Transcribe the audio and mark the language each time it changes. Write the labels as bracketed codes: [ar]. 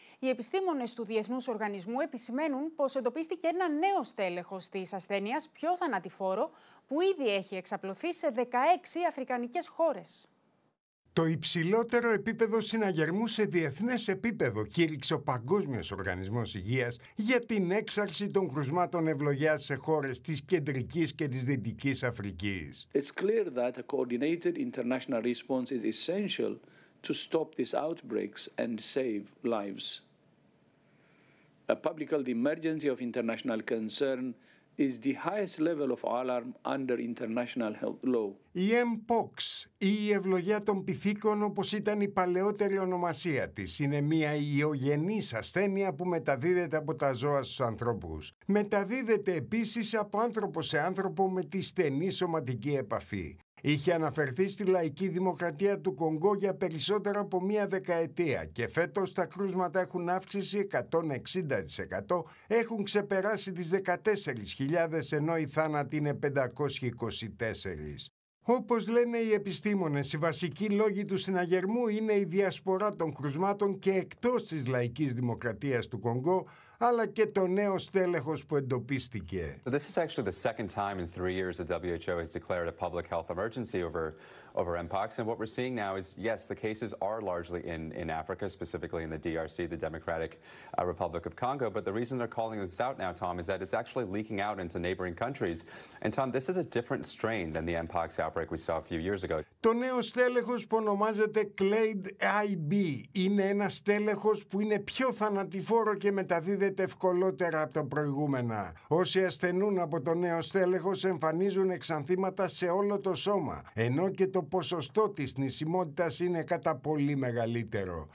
[el] Οι επιστήμονες του Διεθνούς Οργανισμού επισημαίνουν πως εντοπίστηκε ένα νέο στέλεχος της ασθένειας, πιο θανατηφόρο, που ήδη έχει εξαπλωθεί σε 16 αφρικανικές χώρες. Το υψηλότερο επίπεδο συναγερμού σε διεθνές επίπεδο κήρυξε ο Παγκόσμιος Οργανισμός Υγείας για την έξαρση των κρουσμάτων ευλογιάς σε χώρες της Κεντρικής και της Δυτικής Αφρικής. [en] It's clear that a coordinated international response is essential to stop these outbreaks and save lives. A public health emergency of international concern is the highest level of alarm under international health law. [el] Η Mpox, ή η ευλογιά των πυθίκων όπως ήταν η παλαιότερη ονομασία της, είναι μια υιογενής ασθένεια που μεταδίδεται από τα ζώα στους ανθρώπους. Μεταδίδεται επίσης από άνθρωπο σε άνθρωπο με τη στενή σωματική επαφή. Είχε αναφερθεί στη Λαϊκή Δημοκρατία του Κονγκό για περισσότερο από μία δεκαετία και φέτος τα κρούσματα έχουν αύξηση 160%, έχουν ξεπεράσει τις 14.000 ενώ οι θάνατοι είναι 524. Όπως λένε οι επιστήμονες, οι βασικοί λόγοι του συναγερμού είναι η διασπορά των κρουσμάτων και εκτός της Λαϊκής Δημοκρατίας του Κονγκό, αλλά και το νέο στέλεχος που εντοπίστηκε. [en] This is actually the second time in three years that WHO has declared a public health emergency over Mpox. And what we're seeing now is, yes, the cases are largely in Africa, specifically in the DRC, the Democratic Republic of Congo. But the reason they're calling this out now, Tom, is that it's actually leaking out into neighboring countries. And Tom, this is a different strain than the Mpox outbreak we saw a few years ago. [el] Το νέο στέλεχος που ονομάζεται Clade IB είναι ένα στέλεχος που είναι πιο θανατηφόρο και μεταδίδεται ευκολότερα από τα προηγούμενα. Όσοι ασθενούν από το νέο στέλεχος εμφανίζουν εξανθήματα σε όλο το σώμα, ενώ και το ποσοστό της νησιμότητας είναι κατά πολύ μεγαλύτερο.